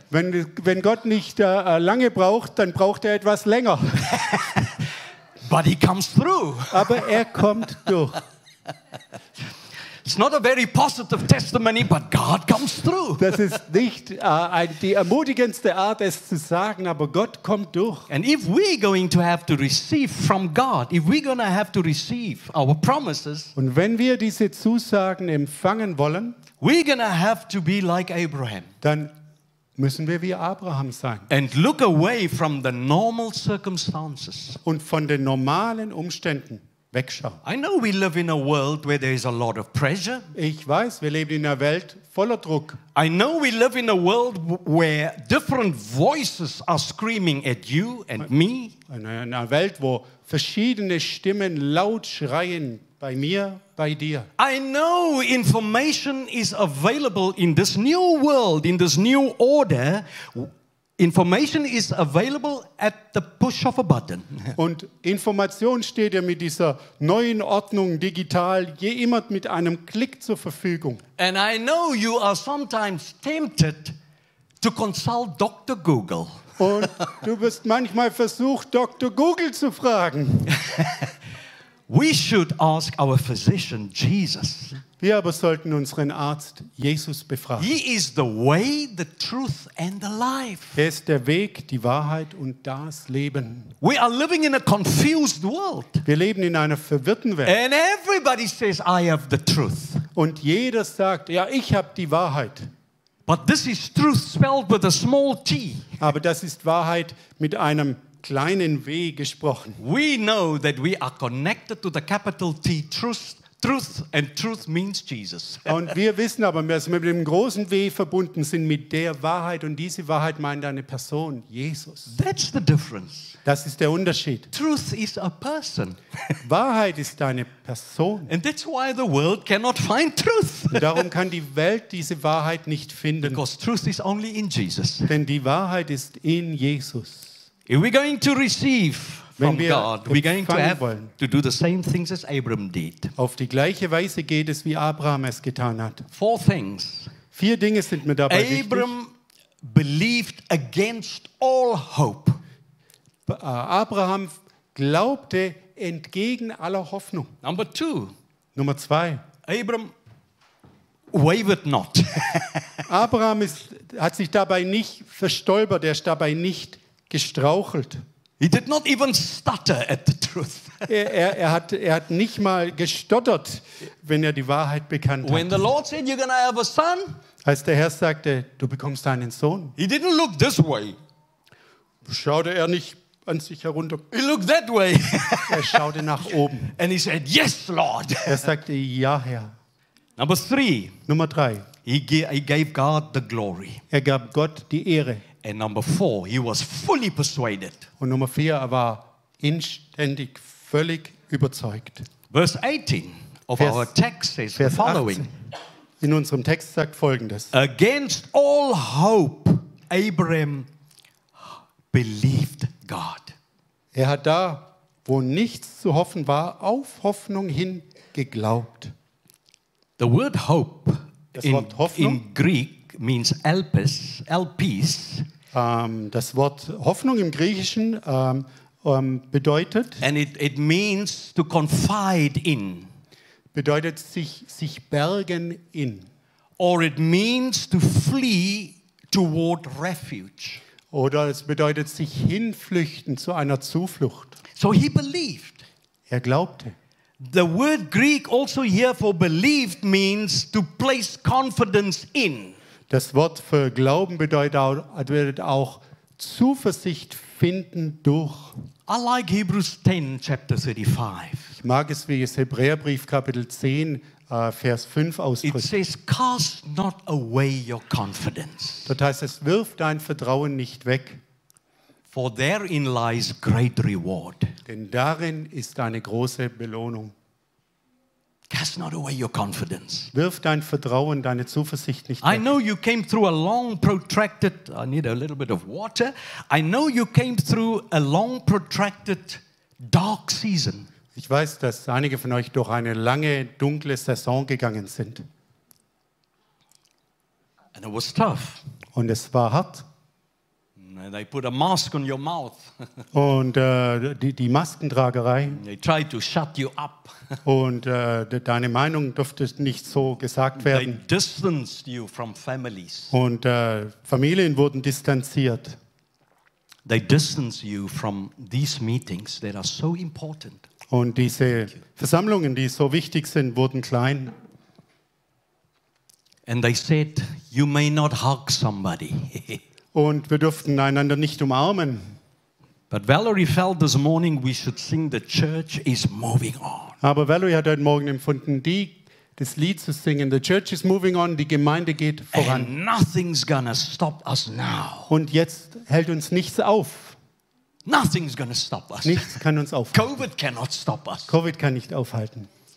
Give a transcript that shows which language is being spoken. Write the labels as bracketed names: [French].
[German] Wenn Gott nicht lange braucht, dann braucht er etwas länger. [English] But he comes through. [German] Aber er kommt durch. [English] It's not a very positive testimony, but God comes through. [German] Das ist nicht die ermutigendste Art, es zu sagen, aber Gott kommt durch. [English] And if we're going to have to receive from God, if we're going to have to receive our promises, [German] und wenn wir diese Zusagen empfangen wollen, [English] we're going to have to be like Abraham. [German] Dann müssen wir wie Abraham sein. [English] And look away from the normal circumstances. [German] Und von den normalen Umständen. [English] I know we live in a world where there is a lot of pressure. [German] Ich weiß, wir leben in einer Welt voller Druck. [English] I know we live in a world where different voices are screaming at you and me. [German] In einer Welt, wo verschiedene Stimmen laut schreien bei mir, bei dir. [English] I know information is available in this new world, in this new order. Information is available at the push of a button. [German] Und Information steht ja mit dieser neuen Ordnung digital je immer mit einem Klick zur Verfügung. [English] And I know you are sometimes tempted to consult Dr. Google. [German] Und du wirst manchmal versucht, Dr. Google zu fragen. [English] We should ask our physician Jesus. [German] Wir aber sollten unseren Arzt Jesus befragen. [English] He is the way, the truth and the life. [German] Er ist der Weg, die Wahrheit und das Leben. [English] We are living in a confused world. [German] Wir leben in einer verwirrten Welt. [English] And everybody says, I have the truth. [German] Und jeder sagt, ja, ich habe die Wahrheit. [English] But this is truth spelled with a small t. [German] Aber das ist Wahrheit mit einem kleinen W gesprochen. [English] We know that we are connected to the capital T, truth. Truth and truth means Jesus. [German] Und wir wissen aber, dass wir mit dem großen W verbunden sind mit der Wahrheit und diese Wahrheit meint eine Person, Jesus. [English] That's the difference. [German] Das ist der Unterschied. [English] Truth is a person. [German] Wahrheit ist eine Person. [English] And that's why the world cannot find truth. [German] Darum kann die Welt diese Wahrheit nicht finden. [English] Because truth is only in Jesus. [German] Denn die Wahrheit ist in Jesus. [English] If we're going to receive [German] wenn [English] from God, we're going to have [German] wollen, [English] to do the same things as Abraham did. [German] Auf die gleiche Weise geht es, wie Abraham es getan hat. [English] Four things. [German] Vier Dinge sind mir dabei Abraham wichtig. [English] Abraham believed against all hope. [German] Abraham glaubte entgegen aller Hoffnung. [English] Number two. [German] Nummer zwei. [English] Abraham wavered not. [German] Abraham hat sich dabei nicht verstolpert, er ist dabei nicht gestrauchelt. [English] He did not even stutter at the truth. [German] Er hat nicht mal gestottert, wenn er die Wahrheit bekannt hat. [English] When the Lord said you're gonna have a son, [German] als der Herr sagte, du bekommst einen Sohn. [English] He didn't look this way. [German] Schaute er nicht an sich herunter. [English] He looked that way. [German] Er schaute nach oben. [English] And he said, yes, Lord. [German] Er sagte, ja, Herr. [English] Number three. [German] Nummer drei. [English] He gave God the glory. [German] Er gab Gott die Ehre. [English] And number four, he was fully persuaded. [German] Und Nummer vier, er war inständig völlig überzeugt. [English] Verse 18 of our text says the following. [German] In unserem Text sagt Folgendes. [English] Against all hope, Abraham believed God. [German] Er hat da, wo nichts zu hoffen war, auf Hoffnung hin geglaubt. [English] The word hope in Greek means elpis, elpis. [German] Das Wort Hoffnung im Griechischen bedeutet. [English] And it means to confide in. [German] Bedeutet sich bergen in. [English] Or it means to flee toward refuge. [German] Oder es bedeutet sich hinflüchten zu einer Zuflucht. [English] So he believed. [German] Er glaubte. [English] The word Greek also here for believed means to place confidence in. [German] Das Wort für Glauben bedeutet auch Zuversicht finden durch. [English] I like Hebrews 10, chapter 35. [German] Ich mag es, wie es Hebräerbrief, Kapitel 10, Vers 5 ausdrückt. [English] It says, cast not away your confidence. [German] Das heißt, es wirf dein Vertrauen nicht weg. [English] For therein lies great reward. [German] Denn darin ist eine große Belohnung. [English] Cast not away your confidence. [German] Wirf dein Vertrauen, deine Zuversicht nicht weg. [English] I know you came through a long protracted. I need a little bit of water. I know you came through a long protracted dark season. [German] Ich weiß, dass einige von euch durch eine lange dunkle Saison gegangen sind. [English] And it was tough. [German] Und es war hart. [English] They put a mask on your mouth. [German] Und die Maskentragerei. [English] They try to shut you up. [German] Und deine Meinung durfte nicht so gesagt werden. [English] They distanced you from families. [German] Und Familien wurden distanziert. [English] They distance you from these meetings that are so important. [German] Und diese Versammlungen, die so wichtig sind, wurden klein. [English] And they said, you may not hug somebody. [German] Und wir durften einander nicht umarmen. [English] But Valerie felt this morning we should sing the church is moving on. [German] Aber Valerie hat heute Morgen empfunden, das Lied zu singen. [English] The church is moving on. [German] Die Gemeinde geht voran. [English] And nothing's gonna stop us now. [German] Und jetzt hält uns nichts auf. [English] Nothing's gonna stop us. [German] Nichts kann uns aufhalten. [English] COVID cannot stop us. [German] COVID kann nicht aufhalten.